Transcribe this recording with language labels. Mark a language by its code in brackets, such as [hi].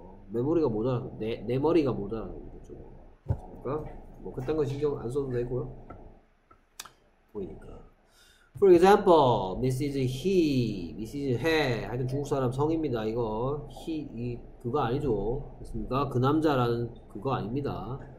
[ko] 메모리가 모자라서, 내 머리가 모자라서. 됐습니까? 뭐, 그딴 거 신경 안 써도 되고요. 보이니까. [en] For example, this is he, this is he. [ko] 하여튼 중국 사람 성입니다, 이거. he, 이, 그거 아니죠. 됐습니까? 그 남자라는 그거 아닙니다.